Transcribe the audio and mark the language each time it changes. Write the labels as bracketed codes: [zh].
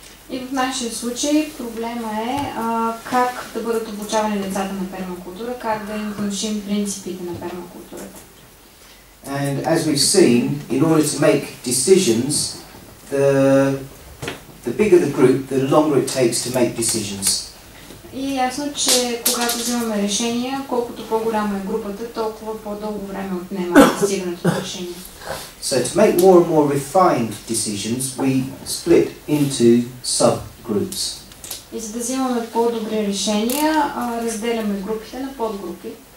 [bg] И в нашия случай проблема е как да бъдат обучавани децата на пермакултура, как да им внушим принципите на пермакултурата. [en] And as we've seen, in order to make decisions, the bigger the group, the longer it takes to make decisions. [bg] И ясно, че когато взимаме решения, колкото по-голяма е групата, толкова по-дълго време отнема стигането на решение. [en] So to make more and more refined decisions, we split into subgroups. [bg] И за да взимаме по-добри решения, разделяме групите на подгрупи.